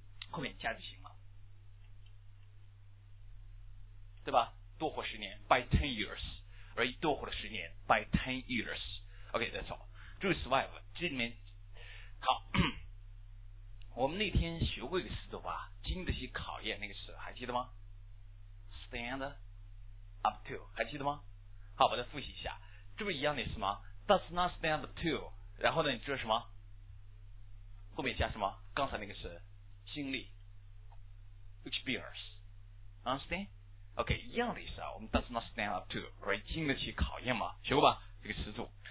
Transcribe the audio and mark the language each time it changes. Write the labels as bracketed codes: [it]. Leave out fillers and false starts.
[zh] 后面加就行了，对吧？多活十年 ， [en] by 10 years， [zh] 而已，多活了十年 ，by 10 years。 [en] OK， that's all。 [zh] 这是 survive， 这里面好。我们那天学过一个词的话，经得起考验那个词，还记得吗？ [en] Stand up to， [zh] 还记得吗？好，把它复习一下，这不一样的意思吗？ [en] Does not stand up to， [zh] 然后呢你知道什么后面加什么？刚才那个是经历 experience， understand？ OK， 一样的意思啊，我们 [en] does not stand up to， right， [zh] 经得起考验嘛，学过吧这个词组。